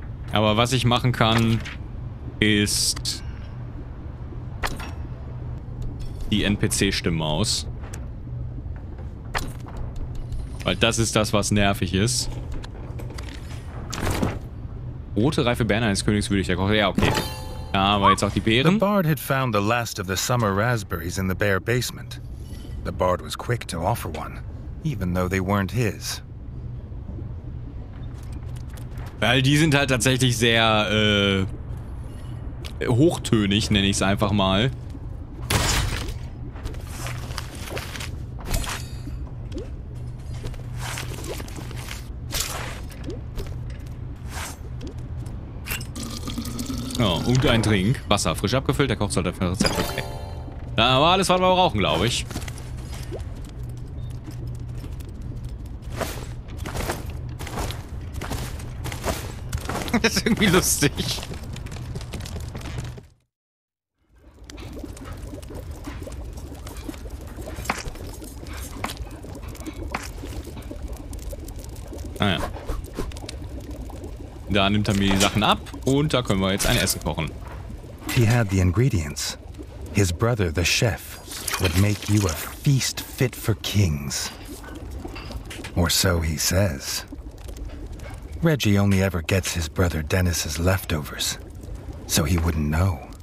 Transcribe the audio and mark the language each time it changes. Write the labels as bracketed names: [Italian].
[German] Aber was ich machen kann, ist die NPC-Stimme aus. Weil das ist das, was nervig ist. Rote reife Beeren eines Königs würde ich ja kochen. Ja, okay. Ja, aber jetzt auch die Beeren. [English] The Bard had found the last of the summer raspberries in the bear basement. The Bard was quick to offer one, even though they weren't his. [German] Weil die sind halt tatsächlich sehr, hochtönig, nenne ich es einfach mal. Oh, und ein Trink. Wasser frisch abgefüllt, der Koch sollte für ein Rezept. Okay. Da war alles, was wir brauchen, glaube ich. Das ist irgendwie lustig. Ah ja. Da nimmt er mir die Sachen ab und da können wir jetzt ein Essen kochen. [English] He had the ingredients. His brother, the chef, would make you a feast fit for kings. Or so he says. Reggie only ever gets his brother Dennis's leftovers, so he wouldn't know.